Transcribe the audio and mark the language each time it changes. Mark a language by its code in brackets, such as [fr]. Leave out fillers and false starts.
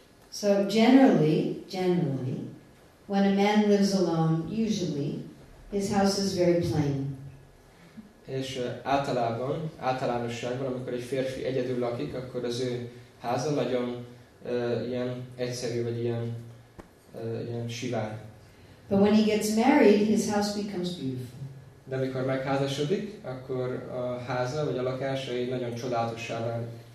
[en] So generally, when a man lives alone, usually his house is very plain. [hu] És általánosságban, amikor egy férfi egyedül lakik, akkor az ő háza nagyon ilyen egyszerű, vagy ilyen sivár. [en] But when he gets married, his house becomes beautiful. [hu] De amikor megházasodik, akkor a háza vagy a lakása egy nagyon csodálatossá válik.